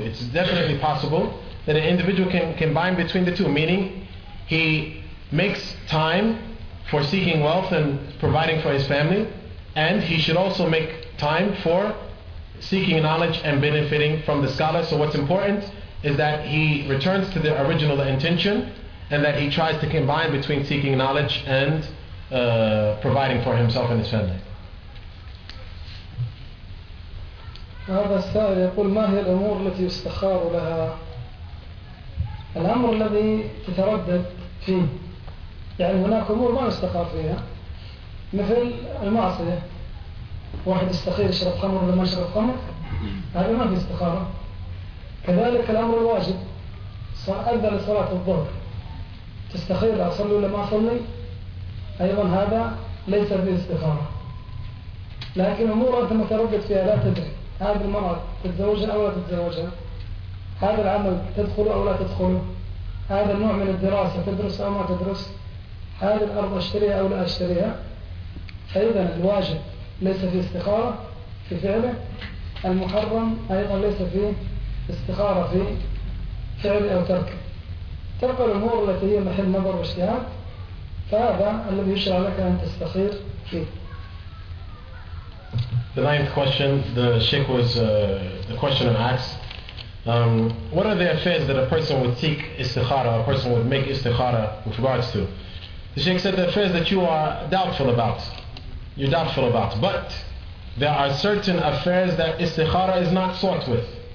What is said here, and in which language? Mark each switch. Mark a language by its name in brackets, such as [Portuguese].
[English] It's definitely possible that an individual can combine between the two, meaning he makes time for seeking wealth and providing for his family, and he should also make time for seeking knowledge and benefiting from the scholar. So what's important is that he returns to the original intention, and that he tries to combine between seeking knowledge and providing for himself and his family. [Arabic] هذا السائل يقول ما هي الأمور التي يستخار لها؟ الأمر الذي تتردد فيه، يعني هناك أمور ما يستخار فيها، مثل المعصية. واحد يستخير يشرب خمر ولا ما يشرب خمر، هذا ما في استخارة. كذلك الأمر الواجب، أذن لصلاة الظهر. تستخير أصلي ولا ما أصلي، أيضا هذا ليس في استخارة. لكن أمور أنت متردد فيها لا تدري، هذه المرأة تتزوجها أو لا تتزوجها، هذا العمل تدخله أو لا تدخله، هذا النوع من الدراسة تدرس أو ما تدرس، هذه الأرض أشتريها أو لا أشتريها. فإذا الواجب ليس في استخارة في فعله، المحرم أيضا ليس في استخارة في فعله أو تركه. تبقى الأمور التي هي محل نظر واجتهاد، فهذا الذي يشرع لك أن تستخير فيه. [English] The ninth question, the Sheikh was the questioner asked, what are the affairs that a person would seek istikhara, a person would make istikhara with regards to? The Sheikh said, the affairs that you are doubtful about, you're doubtful about, but there are certain affairs that istikhara is not sought with.